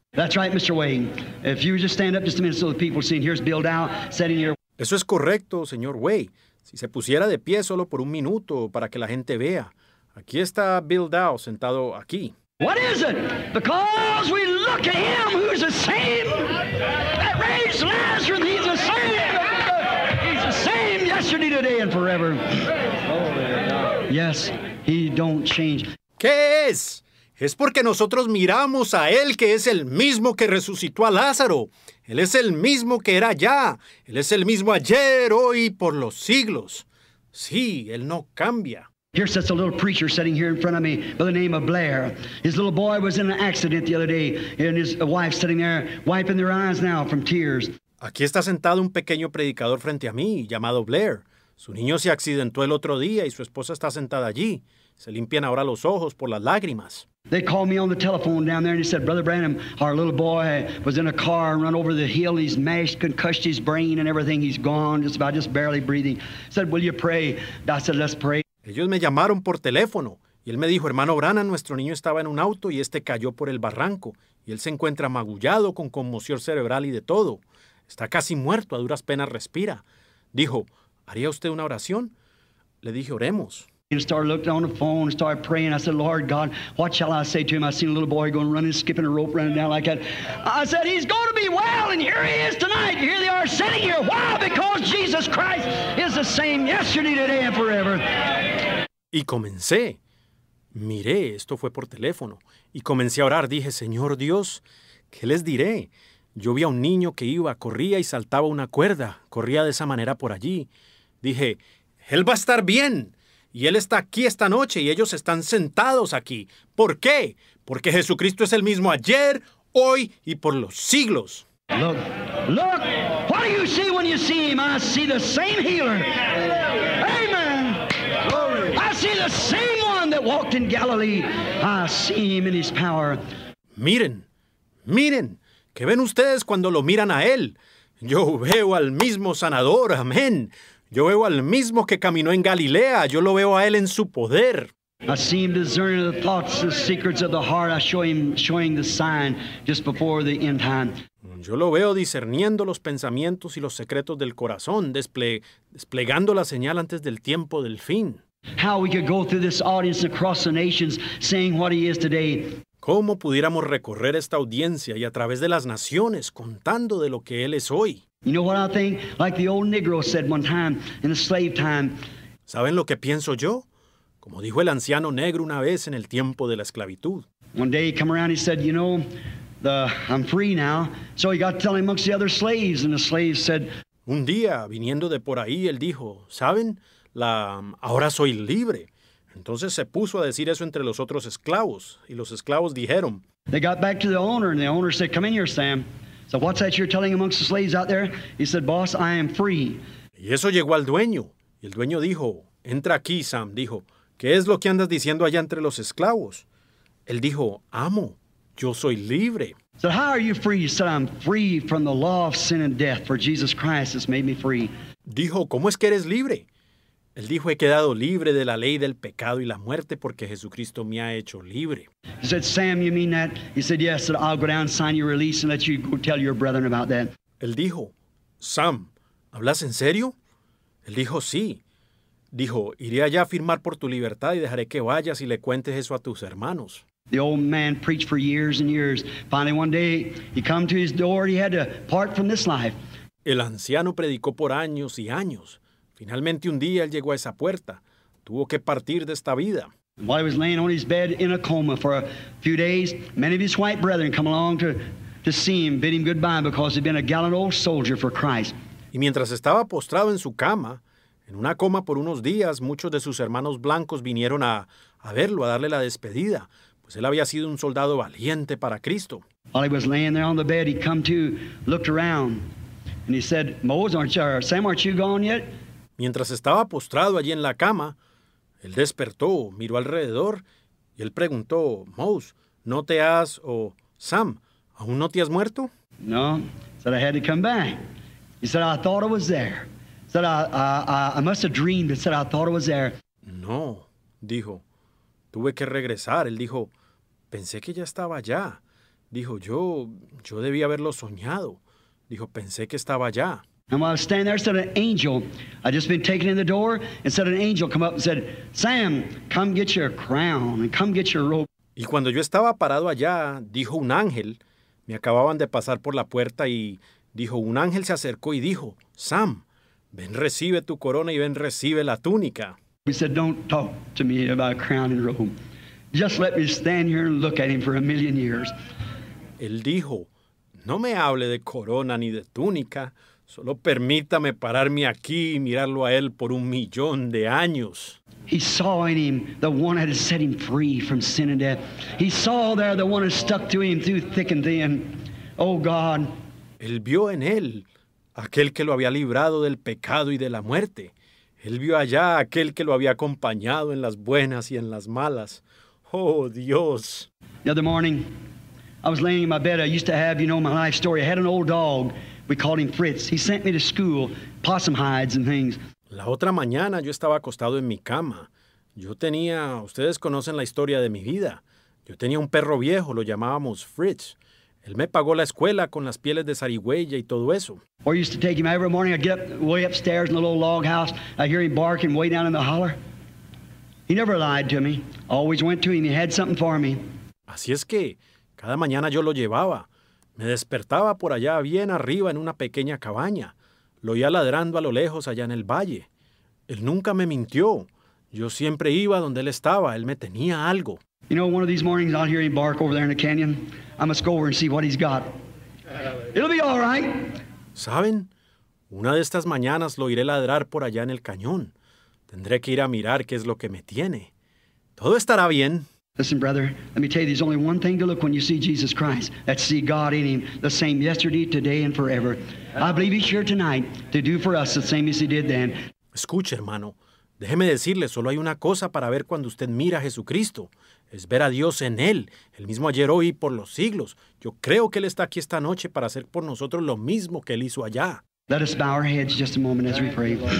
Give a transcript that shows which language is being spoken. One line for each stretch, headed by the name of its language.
English: That's right, Mr. Way. If you just stand up just a minute so the people see, here's Bill Dow sitting here.
Spanish: Eso es correcto, señor Way. Si se pusiera de pie solo por un minuto para que la gente vea. Aquí está Bill Dow sentado aquí.
English: What is it? Because we look at him who's the same that raised Lazarus. He's the same. He's the same yesterday, today, and forever. Yes, he don't change.
Spanish: ¿Qué es? Es porque nosotros miramos a él que es el mismo que resucitó a Lázaro. Él es el mismo que era ya. Él es el mismo ayer, hoy, por los siglos. Sí, él no cambia.
English: Here sits a little preacher sitting here in front of me by the name of Blair. His little boy was in an accident the other day, and his wife sitting there wiping their eyes now from tears.
Spanish: Aquí está sentado un pequeño predicador frente a mí, llamado Blair. Su niño se accidentó el otro día y su esposa está sentada allí. Se limpian ahora los ojos por las lágrimas.
English: They called me on the telephone down there and he said, Brother Branham, our little boy was in a car and run over the hill. He's mashed, concussed his brain and everything. He's gone, just about, just barely breathing. He said, will you pray? I said, let's pray.
Spanish: Ellos me llamaron por teléfono y él me dijo, hermano Branham, nuestro niño estaba en un auto y este cayó por el barranco y él se encuentra magullado con conmoción cerebral y de todo. Está casi muerto, a duras penas respira. Dijo, ¿haría usted una oración? Le dije, oremos.
English: And started looking on the phone and started praying. I said, Lord God, what shall I say to him? I seen a little boy going running, skipping a rope, running down like that. I said, he's going to be well, and here he is tonight. Here they are sitting here. Why? Because Jesus Christ is the same yesterday, today, and forever.
Spanish: Y comencé. Miré, esto fue por teléfono. Y comencé a orar. Dije, Señor Dios, ¿qué les diré? Yo vi a un niño que iba, corría y saltaba una cuerda. Corría de esa manera por allí. Dije, él va a estar bien. Y Él está aquí esta noche y ellos están sentados aquí. ¿Por qué? Porque Jesucristo es el mismo ayer, hoy y por los siglos.
English: Look, look, what do you see when you see Him? I see the same healer. Amen. I see the same one that walked in Galilee. I see Him in His power.
Spanish: Miren, miren, ¿qué ven ustedes cuando lo miran a Él? Yo veo al mismo sanador, amén. Yo veo al mismo que caminó en Galilea. Yo lo veo a Él en su poder.
English: I see Him discerning the thoughts, the secrets of the heart. I show Him showing the sign just before the end time.
Spanish: Yo lo veo discerniendo los pensamientos y los secretos del corazón, desplegando la señal antes del tiempo del fin.
English: How we could go through this audience across the nations saying what He is today.
Spanish: ¿Cómo pudiéramos recorrer esta audiencia y a través de las naciones contando de lo que Él es hoy?
English: You know what I think? Like the old Negro said one time in the slave time.
Spanish: ¿Saben lo que pienso yo? Como dijo el anciano negro una vez en el tiempo de la esclavitud.
English: One day he came around, he said, you know, I'm free now. So he got to tell him amongst the other slaves, and the slaves said.
Spanish: Un día, viniendo de por ahí, él dijo, ¿saben? Ahora soy libre. Entonces se puso a decir eso entre los otros esclavos, y los esclavos dijeron.
English: They got back to the owner, and the owner said, come in here, Sam. So what's that you're telling amongst the slaves out there? He said, boss, I am free.
Spanish: Y eso llegó al dueño. Y el dueño dijo, entra aquí, Sam. Dijo, ¿qué es lo que andas diciendo allá entre los esclavos? Él dijo, amo, yo soy libre.
English: So how are you free? He said, I'm free from the law of sin and death, for Jesus Christ has made me free.
Spanish: Dijo, ¿cómo es que eres libre? Él dijo, he quedado libre de la ley del pecado y la muerte porque Jesucristo me ha hecho libre.
English: He said, Sam, you mean that? He said, yes, I'll go down and sign your release and let you go tell your brethren about that.
Spanish: Él dijo, Sam, ¿hablas en serio? Él dijo, sí. Dijo, iré allá a firmar por tu libertad y dejaré que vayas y le cuentes eso a tus hermanos.
English: The old man preached for years and years. Finally, one day, he came to his door and he had to part from this life.
Spanish: El anciano predicó por años y años. Finalmente un día él llegó a esa puerta. Tuvo que partir de esta vida.
English: While he was laying on his bed in a coma for a few days, many of his white brethren come along to see him, bid him goodbye because he'd been a gallant old soldier for Christ.
Spanish: Y mientras estaba postrado en su cama, en una coma por unos días, muchos de sus hermanos blancos vinieron a verlo, a darle la despedida, pues él había sido un soldado valiente para Cristo.
English: While he was laying there on the bed, he come to, looked around, and he said, Mose, aren't you, Sam, aren't you gone yet?
Spanish: Mientras estaba postrado allí en la cama, él despertó, miró alrededor y él preguntó, Mose, ¿no te has, o Sam, aún no te has muerto?
English: No, he said, I had to come back. He said, I thought I was there. He said, I must have dreamed. He said, I thought I was there.
Spanish: No, dijo, tuve que regresar. Él dijo, pensé que ya estaba allá. Dijo, yo debí haberlo soñado. Dijo, pensé que estaba allá.
English: And while I was standing there, said an angel, I'd just been taken in the door, and said an angel come up and said, Sam, come get your crown and come get your robe.
Spanish: Y cuando yo estaba parado allá, dijo un ángel, me acababan de pasar por la puerta y dijo, un ángel se acercó y dijo, Sam, ven recibe tu corona y ven recibe la túnica.
English: He said, don't talk to me about crown and robe. Just let me stand here and look at him for a million years.
Spanish: Él dijo, no me hable de corona ni de túnica. Solo permítame pararme aquí y mirarlo a él por un millón de años.
English: He saw in him the one that had set him free from sin and death. He saw there the one that stuck to him through thick and thin. Oh God.
Spanish: Él vio en él aquel que lo había librado del pecado y de la muerte. Él vio allá aquel que lo había acompañado en las buenas y en las malas. Oh Dios.
English: The other morning, I was laying in my bed. I used to have, you know, my life story. I had an old dog. We called him Fritz. He sent me to school, possum hides and things.
Spanish: La otra mañana yo estaba acostado en mi cama. Yo tenía, ustedes conocen la historia de mi vida. Yo tenía un perro viejo, lo llamábamos Fritz. Él me pagó la escuela con las pieles de zarigüeya y todo eso.
English: Or used to take him every morning. I'd get up way upstairs in the little log house. I'd hear him barking way down in the holler. He never lied to me. Always went to him. He had something for me.
Spanish: Así es que cada mañana yo lo llevaba. Me despertaba por allá bien arriba en una pequeña cabaña. Lo oía ladrando a lo lejos allá en el valle. Él nunca me mintió. Yo siempre iba donde él estaba. Él me tenía algo.
English: You know, one of these mornings I'll hear him bark over there in the canyon. I must go over and see what he's got. It'll be all right.
Spanish: ¿Saben? Una de estas mañanas lo iré ladrar por allá en el cañón. Tendré que ir a mirar qué es lo que me tiene. Todo estará bien.
English: Listen, brother, let me tell you, there's only one thing to look when you see Jesus Christ. That's see God in him, the same yesterday, today, and forever. I believe he's here tonight to do for us the same as he did then.
Spanish: Escuche, hermano. Déjeme decirle, solo hay una cosa para ver cuando usted mira a Jesucristo. Es ver a Dios en Él, el mismo ayer, hoy y por los siglos. Yo creo que Él está aquí esta noche para hacer por nosotros lo mismo que Él hizo allá.
English: Let us bow our heads just a moment as we pray.